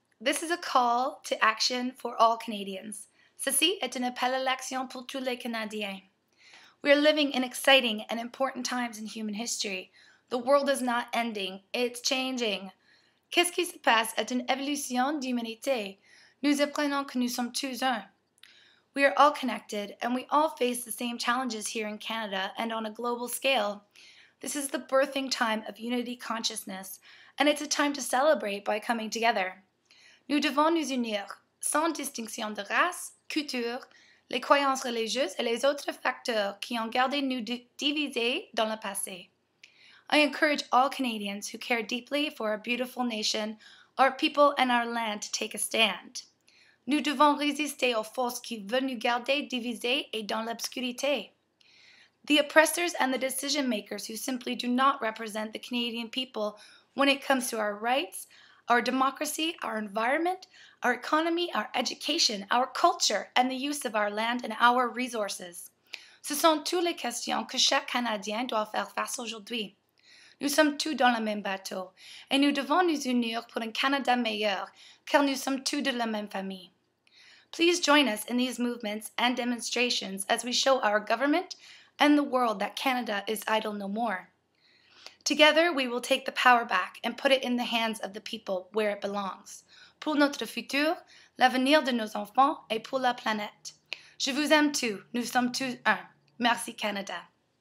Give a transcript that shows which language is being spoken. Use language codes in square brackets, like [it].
[en] This is a call to action for all Canadians. [fr] Ceci est un appel à l'action pour tous les Canadiens. [en] We are living in exciting and important times in human history. The world is not ending, it's changing. [fr] Qu'est-ce qui se passe est une évolution d'humanité. Nous apprenons que nous sommes tous un. [en] We are all connected, and we all face the same challenges here in Canada and on a global scale. This is the birthing time of unity consciousness, and it's a time to celebrate by coming together. [fr] Nous devons nous unir, sans distinction de race, culture, les croyances religieuses et les autres facteurs qui ont gardé nous divisés dans le passé. [en] I encourage all Canadians who care deeply for our beautiful nation, our people, and our land to take a stand. [fr] Nous devons résister aux forces qui veulent nous garder divisés et dans l'obscurité. [en] The oppressors and the decision makers who simply do not represent the Canadian people when it comes to our rights, our democracy, our environment, our economy, our education, our culture, and the use of our land and our resources. [fr] Ce sont toutes les questions que chaque Canadien doit faire face aujourd'hui. Nous sommes tous dans le même bateau, et nous devons nous unir pour un Canada meilleur, car nous sommes tous de la même famille. [en] Please join us in these movements and demonstrations as we show our government and the world that Canada is idle no more. Together, we will take the power back and put it in the hands of the people where it belongs. [fr] Pour notre futur, l'avenir de nos enfants et pour la planète. Je vous aime tous. Nous sommes tous un. Merci, Canada.